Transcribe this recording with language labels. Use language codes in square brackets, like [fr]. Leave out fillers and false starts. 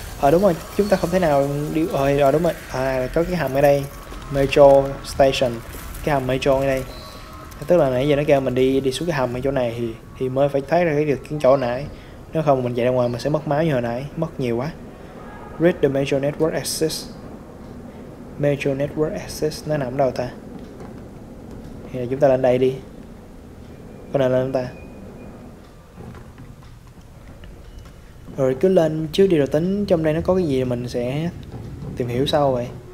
[vi] Đúng rồi, chúng ta không thể nào đi. Đúng rồi. Có cái hầm ở đây. Metro station. Cái hầm metro ở đây. Tức là nãy giờ nó kêu mình đi xuống cái hầm ở chỗ này thì mới phải thoát ra được cái chỗ nãy. Nếu không mình chạy ra ngoài mình sẽ mất máu như hồi nãy, mất nhiều quá. [en] Read the metro network access. [vi] Metro network access nó nằm ở đâu ta? Thì chúng ta lên đây đi. Con nào lên chúng ta? Rồi cứ lên trước đi rồi tính trong đây nó có cái gì mình sẽ tìm hiểu sau vậy.